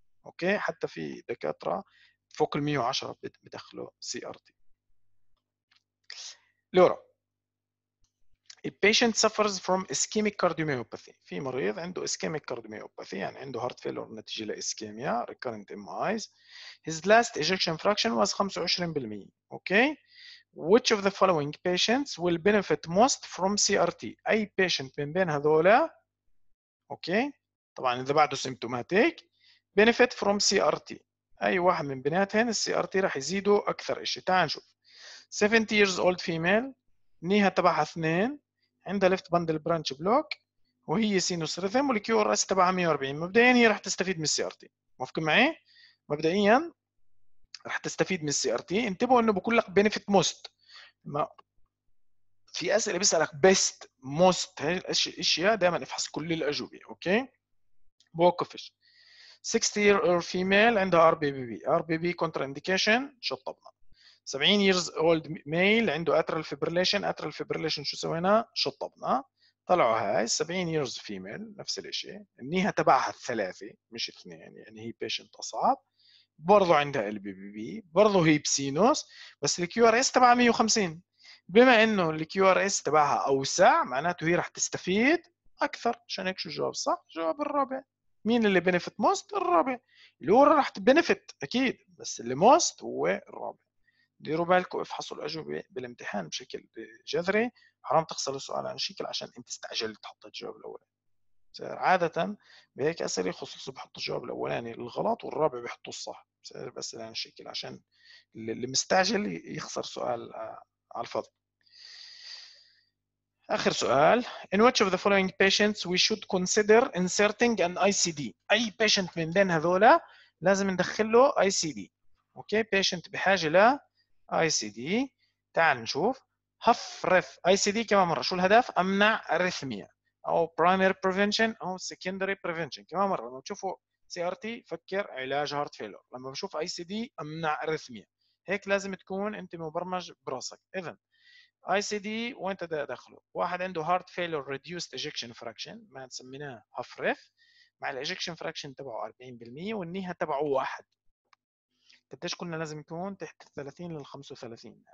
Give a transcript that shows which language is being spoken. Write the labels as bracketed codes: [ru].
[ar] اوكي حتى في دكاتره فوق ال 110 بدخلوا سي ار تي. [en] Laura, a patient suffers from ischemic cardiomyopathy. [ar] في مريض عنده ischemic cardiomyopathy يعني عنده heart failure نتيجة لإسكيميا recurrent MIs. [en] His last ejection fraction was 25%. Okay. Which of the following patients will benefit most from CRT? [ar] أي patient من بين هذولا؟ Okay. طبعاً إذا بعده symptomatic benefit from CRT. أي واحد من بناتهن CRT راح يزيده أكثر إشي. تعال نشوف. [en] 70 years old female نيها تبعها 2 عندها left bundle branch block وهي sinus rhythm والكيو ار اس تبعها 140. [ar] مبدئيا هي رح تستفيد من السي ار تي. موافق معي؟ مبدئيا رح تستفيد من السي ار تي. انتبهوا انه بقول لك benefit most. ما في اسئله بيسالك best most اشياء دائما افحص كل الاجوبه. اوكي بوقفش. [en] 60 year old female عندها RBBB. RBB contraindication شطبنا. 70 years old male عنده atrial fibrillation. [ar] Atrial fibrillation شو سوينا؟ شطبنا. طلعوا هاي 70 years female نفس الاشي النيها تبعها الثلاثة مش اثنين، يعني هي patient اصعب. برضو عندها LBBB، برضو هي بسينوس، بس الـ QRS تبعها 150. بما انه الـ QRS تبعها اوسع معناته هي رح تستفيد اكثر. عشان هيك شو الجواب صح؟ جواب الرابع. مين اللي benefit most؟ الرابع. الورا رح تبنفت اكيد، بس اللي most هو الرابع. ديروا بالكم افحصوا الاجوبه بالامتحان بشكل جذري، حرام تخسروا السؤال عن شكل عشان انت استعجلت تحط الجواب الاول. عادة بهيك أسئلة خصوصا بحطوا الجواب الأولاني الغلط والرابع بحطوا الصح، بس لهذا الشكل عشان اللي مستعجل يخسر سؤال على الفاضي. [en] آخر سؤال: In which of the following patients we should consider inserting an ICD؟ أي patient من بين هذولا لازم ندخل له ICD. [ar] Okay, patient بحاجة ل ICD. تعال نشوف. هف رف ICD كمان مرة. شو الهدف؟ أمنع أريثميا أو primary prevention أو secondary prevention. كمان مرة لما تشوفوا CRT فكر علاج heart failure. لما بشوف ICD أمنع أريثميا. هيك لازم تكون أنت مبرمج براسك. إذن ICD وانت داخله واحد عنده heart failure reduced ejection fraction ما نسميناه half ref مع الاجكشن فراكشن تبعه 40% والنيهة تبعه 1 قديش كنا لازم يكون تحت 30 لل 35.